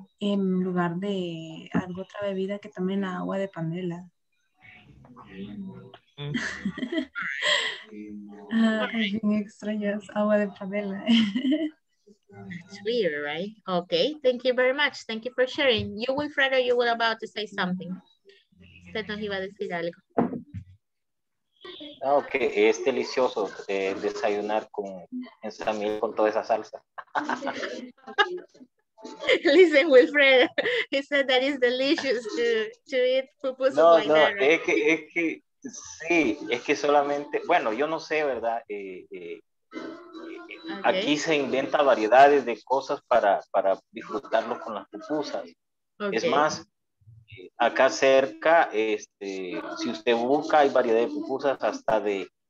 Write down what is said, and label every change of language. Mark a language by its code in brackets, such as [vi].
[es] En lugar de algo otra bebida que tomen la agua de panela. Ah, es bien extraño, es agua de panela. [en] It's weird, right? Okay, thank you very much. Thank you for sharing. You, Wilfredo, you were about to say something. [es] Usted nos iba a decir algo. Ok, es delicioso desayunar con ensamil con toda esa salsa. [en] Listen, Wilfred, he said that is delicious to eat pupusas no, like no, that. No, right? [es] No, es que sí, es que solamente, bueno, yo no sé, ¿verdad? Okay. Aquí se inventa variedades de cosas para disfrutarlo con las pupusas. Okay. Es más, acá cerca, si usted busca, hay variedad de pupusas hasta de